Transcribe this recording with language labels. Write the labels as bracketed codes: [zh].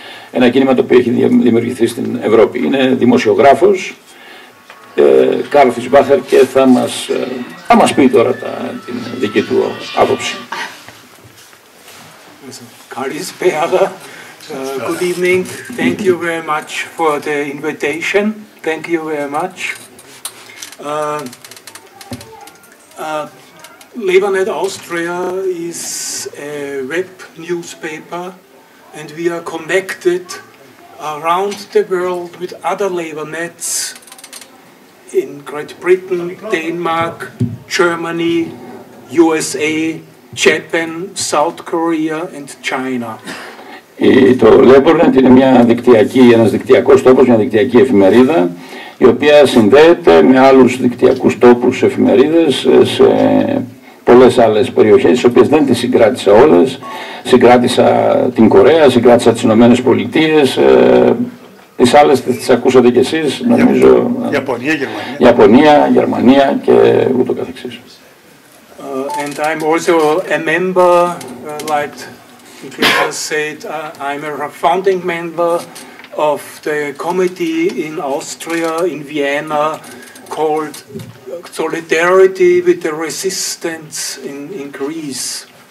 [el] Ένα κίνημα το οποίο έχει δημιουργηθεί στην Ευρώπη. Είναι δημοσιογράφος, Καρλ Φισμπάχερ, και θα μας πει τώρα την δική του άποψη. Καλησπέρα. [en] Good evening. Thank you very much for the invitation. Thank you very much. LabourNet Austria is a web newspaper and we are connected around the world with other LabourNets in Great Britain, Denmark, Germany, USA, Japan, South Korea and China. [el] Το LabourNet είναι ένας δικτυακός τόπος, μια δικτυακή εφημερίδα, η οποία συνδέεται με άλλους δικτυακούς τόπους εφημερίδες σε πολλές άλλες περιοχές, τις οποίες δεν τις συγκράτησα όλες. Συγκράτησα την Κορέα, συγκράτησα τις Ηνωμένες Πολιτείες, τις άλλες τις ακούσατε κι εσείς, νομίζω. Ιαπωνία, Γερμανία. Ιαπωνία, Γερμανία και ούτω καθεξής. [en] And I'm also a member, like said, I'm a founding member of the committee in Austria, in Vienna, called Solidarity with the Resistance in Greece.